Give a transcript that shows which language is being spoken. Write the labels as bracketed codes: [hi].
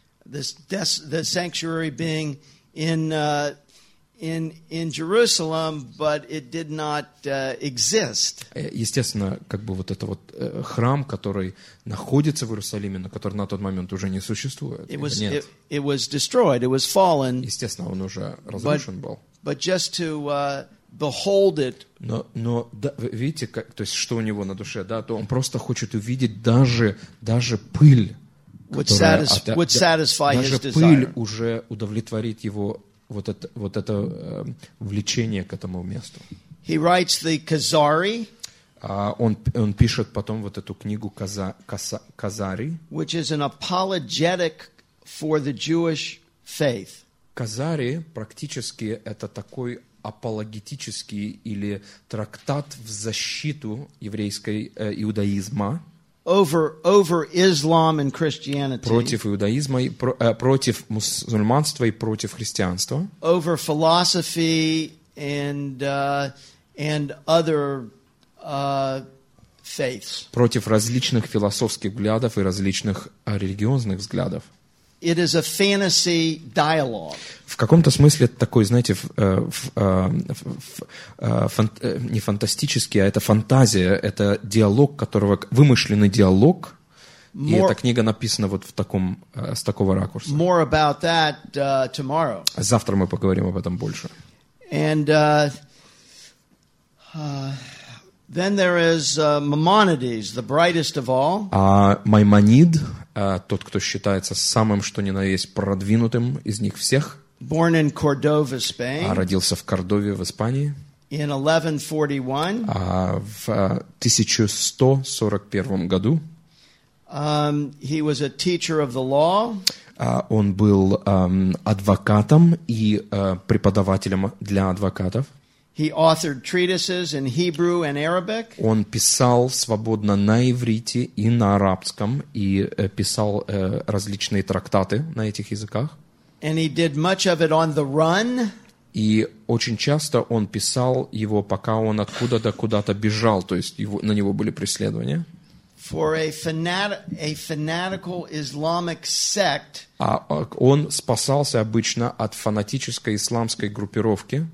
[en] The sanctuary being in Jerusalem, but it did not exist. [ru] Естественно, как бы вот это вот храм, который находится в Иерусалиме, но который на тот момент уже не существует. [en] It was destroyed. It was fallen. [ru] Естественно, он уже разрушен был. [en] But just to behold it. [ru] Но да, видите, как, то есть, что у него на душе, да, то он просто хочет увидеть даже пыль, которая уже удовлетворит его. Вот это влечение к этому месту. [en] He writes the Kazari. [ru] Он пишет потом вот эту книгу Казари. [en] Which is an apologetic for the Jewish faith. [ru] Казари практически это такой апологетический или трактат в защиту еврейской иудаизма. [en] Over Islam and Christianity. [ru] Против иудаизма и против мусульманства и против христианства. [en] Over philosophy and other faiths. [ru] Против различных философских взглядов и различных религиозных взглядов. [en] It is a fantasy dialogue. [ru] В каком-то смысле такой, знаете, не фантастический, а это фантазия, это диалог, которого вымышленный диалог. И эта книга написана вот в таком с такого ракурса. [en] More about that tomorrow. [ru] Завтра мы поговорим об этом больше. [en] And then there is Maimonides, the brightest of all. [ru] Маймонид. Тот, кто считается самым, что ни на есть, продвинутым из них всех. [en] Born in Cordova, Spain. [ru] Родился в Кордове, в Испании. [en] In 1141, [ru] в 1141 году, [en] he was a teacher of the law. [ru] Он был адвокатом и преподавателем для адвокатов. [en] He authored treatises in Hebrew and Arabic. [ru] Он писал свободно на иврите и на арабском, и писал различные трактаты на этих языках. [en] And he did much of it on the run. [ru] И очень часто он писал его, пока он откуда-то куда-то бежал, то есть его, на него были преследования. [en] For a fanatical Islamic sect, [ru] а он спасался обычно от фанатической исламской группировки,